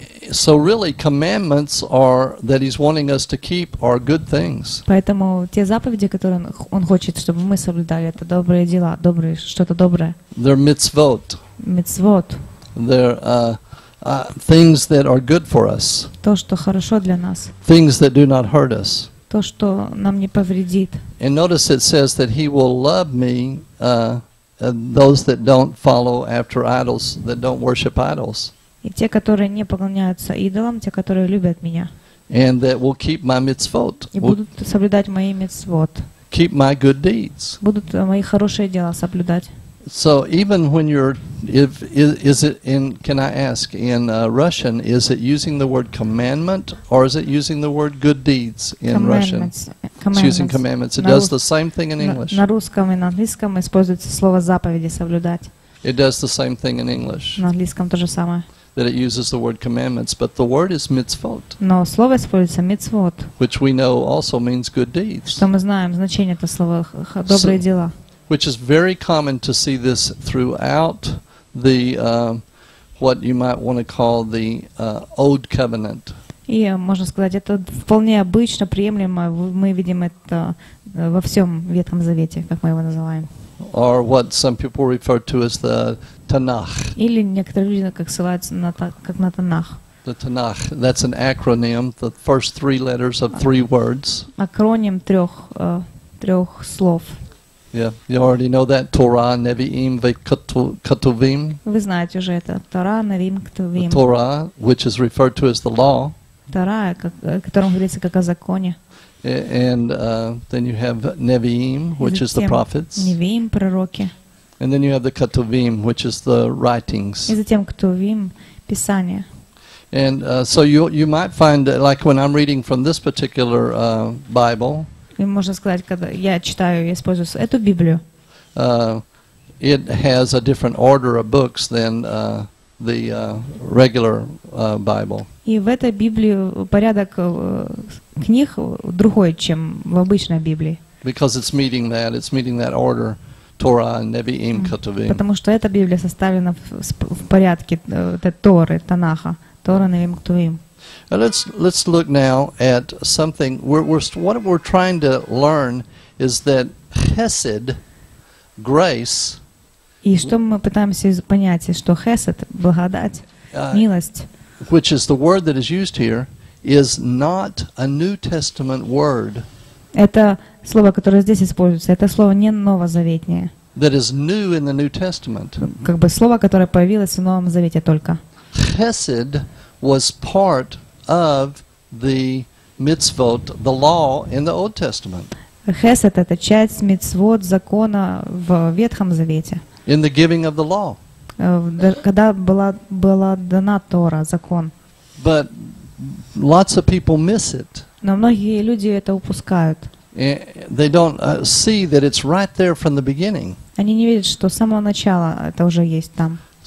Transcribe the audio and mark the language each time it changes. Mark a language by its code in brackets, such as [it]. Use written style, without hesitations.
[en] So really, commandments are that he's wanting us to keep are good things. [ru] Поэтому те заповеди, которые он хочет, чтобы мы соблюдали, это добрые дела, добрые что-то доброе. [en] They're mitzvot. [he] Mitzvot. [en] They're things that are good for us. [ru] То, что хорошо для нас. [en] Things that do not hurt us. [ru] То, что нам не повредит. [en] And notice it says that he will love me those that don't follow after idols, that don't worship idols. [ru] И те, которые не поклоняются идолам, те, которые любят меня. [en] And that will keep my mitzvot. [ru] И будут соблюдать мои мицвот. [en] Keep my good deeds. [ru] Будут мои хорошие дела соблюдать. [en] So even when you're, can I ask in Russian, is it using the word commandment or is it using the word good deeds in Russian? Commandments. It's using commandments. It does the same thing in English. [ru] На русском и на английском используется слово заповеди соблюдать. [en] It does the same thing in English. [ru] На английском то же самое. [en] That it uses the word commandments, but the word is mitzvot. [ru] Но слово используется mitzvot. [en] Which we know also means good deeds. [ru] Что мы знаем значение этого слова добрые дела. [en] Which is very common to see this throughout the what you might want to call the old covenant. [ru] И можно сказать, это вполне обычно приемлемо. Мы видим это во всем Ветхом Завете, как мы его называем. [en] Or what some people refer to as the Tanakh. [ru] Или некоторые люди как ссылаются на как на Танах. [en] The Tanakh. That's an acronym. The first three letters of three words. [ru] Акроним трех слов. [en] Yeah, you already know that Torah, Nevi'im, Ketuvim. [ru] Вы знаете уже это Torah, Nevi'im, Ketuvim. [en] Torah, which is referred to as the law. [ru] Torah, которым говорится как о законе. [en] And then you have Nevi'im, which is the prophets. [ru] Nevi'im, пророки. [en] And then you have the Ketuvim, which is the writings. [ru] И затем Ketuvim, писание. [en] And so you might find that, like when I'm reading from this particular Bible. [ru] Можно сказать, когда я читаю и использую эту Библию. [en] It has a different order of books than the regular Bible. [ru] И в этой Библии порядок книг другой, чем в обычной Библии. [en] Because it's meeting that order, Torah, Nevi'im, Ketuvim. [ru] Потому что эта Библия составлена в порядке Торы, Танаха, Тора, Невим, Ктувим. [en] Let's look now at something. What we're trying to learn is that Chesed, grace. [ru] И что мы пытаемся понять, что Chesed, благодать, милость. [en] Which is the word that is used here is not a New Testament word. [ru] Это слово, которое здесь используется, это слово не новозаветнее. [en] That is new in the New Testament. [ru] Как бы слово, которое появилось в Новом Завете только. [en] Chesed was part of the mitzvot, the law in the Old Testament. [ru] Хесед — это часть мицвот закона в Ветхом Завете. [en] In the giving of the law. [ru] Когда была дана Тора, закон. [en] But lots of people miss it. [ru] Но многие люди это упускают. [en] They don't see that it's right there from the beginning. [ru] Они не видят, что с самого начала это уже есть там.